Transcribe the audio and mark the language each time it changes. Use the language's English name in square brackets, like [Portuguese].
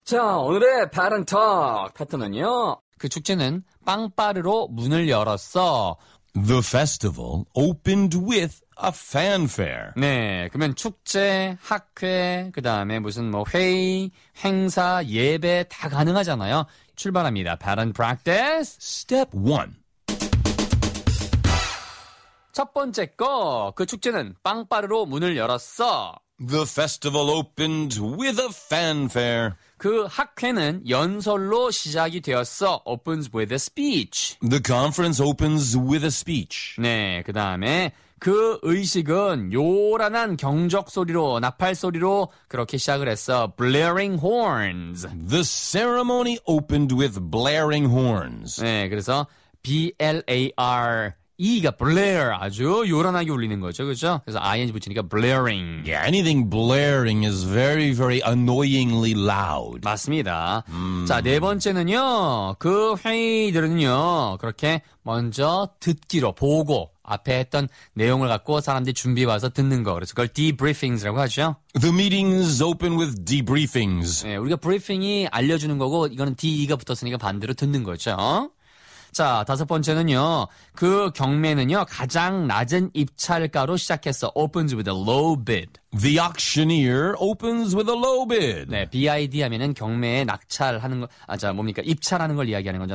[Korean] 자, 오늘의 바른톡 패턴은요. 그 축제는 빵빠르로 문을 열었어. [English] The festival opened with a fanfare. [Korean] 네, 그러면 축제, 학회, 그 다음에 무슨 뭐 회의, 행사, 예배 다 가능하잖아요. 출발합니다. 바른 practice. [English] Step 1. [Korean] 첫 번째 거. 그 축제는 빵빠르로 문을 열었어. [English] The festival opened with a fanfare. [Korean] 그 학회는 연설로 시작이 되었어. [English] Opens with a speech. The conference opens with a speech. [Korean] 네, 그 다음에 그 의식은 요란한 경적 소리로, 나팔 소리로 그렇게 시작을 했어. [English] Blaring horns. The ceremony opened with blaring horns. [Korean] 네, 그래서 B-L-A-R. E가 blare, 아주 요란하게 울리는 거죠, 그렇죠? 그래서 ing 붙이니까 blaring. [English] Yeah, anything blaring is very, very annoyingly loud. [Korean] 맞습니다. 자, 네 번째는요, 그 회의들은요, 그렇게 먼저 듣기로 보고 앞에 했던 내용을 갖고 사람들이 준비 와서 듣는 거. 그래서 그걸 debriefings라고 하죠. [English] The meetings open with debriefings. [Korean] 네, 우리가 briefing이 알려주는 거고, 이거는 DE가 붙었으니까 반대로 듣는 거죠. 자, 다섯 번째는요. 그 경매는요. 가장 낮은 입찰가로 시작했어. [English] Opens with a low bid. The auctioneer opens with a low bid. [Korean] 네, BID 하면은 경매에 낙찰하는 거, 아, 자, 뭡니까? 입찰하는 걸 이야기하는 건죠.